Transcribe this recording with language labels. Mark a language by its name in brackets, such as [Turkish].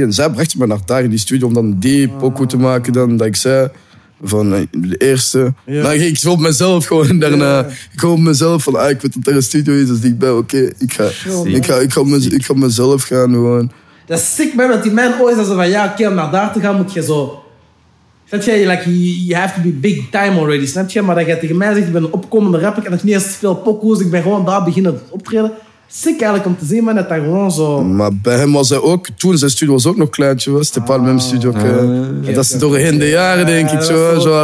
[Dutch] En zij brachten me naar daar in die studio om dan die pokoe te maken dan dat ik zei. Van de eerste. Ja. Nou, ik hoop mezelf gewoon daarna. Ja. Ik hoop mezelf van, ah, ik weet dat er een studio is, dus ik ben oké. Okay, ik ga mezelf gaan gewoon. Dat is sick, man, dat die man ooit zei van, ja, oké, okay, om naar daar te gaan, moet je zo... Snap je, [English] like, you have to be big time already, [Dutch] snap je? Maar dat je tegen mij zegt, ik ben een opkomende rapper, en ik heb niet eens veel pokoes, ik ben gewoon daar beginnen optreden. Sick eigenlijk om te zien, man, dat hij gewoon zo... Maar bij hem was hij ook, toen zijn studio was ook nog kleintje, was het pas mijn studio. Okay. Okay, dat is doorheen de jaren, denk ik, zo.